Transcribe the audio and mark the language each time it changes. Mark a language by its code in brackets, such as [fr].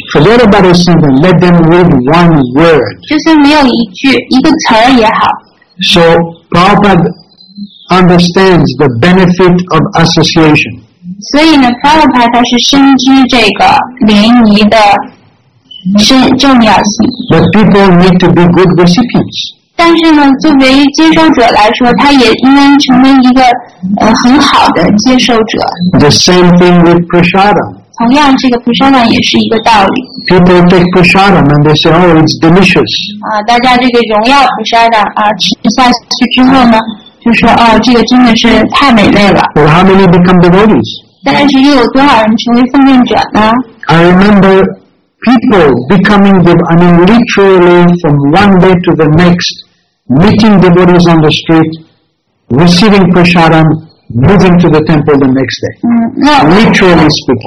[en] Forget about a sentence, let them read one word. [zh] 就算没有一句，一个词儿也好。 [en] So, Prabhupada understands the benefit of association. [zh] 所以呢 Prabhupada 他是深知这个联谊的重要性。 [en] But people need to be good recipients. [zh] 但是呢作为接受者来说，他也应该成为一个很好的接受者。 [en] The same thing with prasadam. [zh] 同样这个 prasadam 也是一个道理。 [en] People take prasadam and they say, oh, it's delicious. [zh] 大家这个荣耀 prasadam 吃下去之后呢就说这个真的是太美味了。 [en] Well, how many become devotees? [zh] 但是又有多少人成为奉献者呢？ [en] I remember people becoming, literally from one day to the next, meeting devotees on the street, receiving prasadam, moving to the temple the next day. Literally speaking.